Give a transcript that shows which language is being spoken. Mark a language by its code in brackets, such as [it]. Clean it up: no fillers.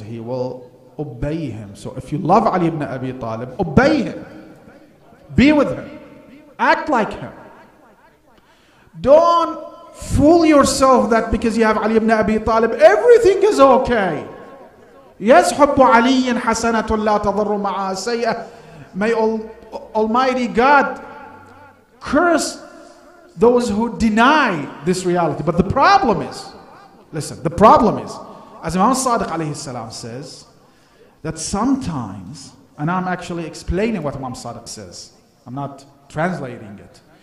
[en] He will obey him. So if you love Ali ibn Abi Talib, obey him. Be with him. Act like him. Don't fool yourself that because you have Ali ibn Abi Talib, everything is okay. [ar] Yes, حب علي حسنة لا تضر مع سيئة. [en] May Almighty God curse those who deny this reality. But the problem is, listen, the problem is, as Imam Sadiq alayhi salam says, that sometimes, and I'm actually explaining what Imam Sadiq says, I'm not translating it.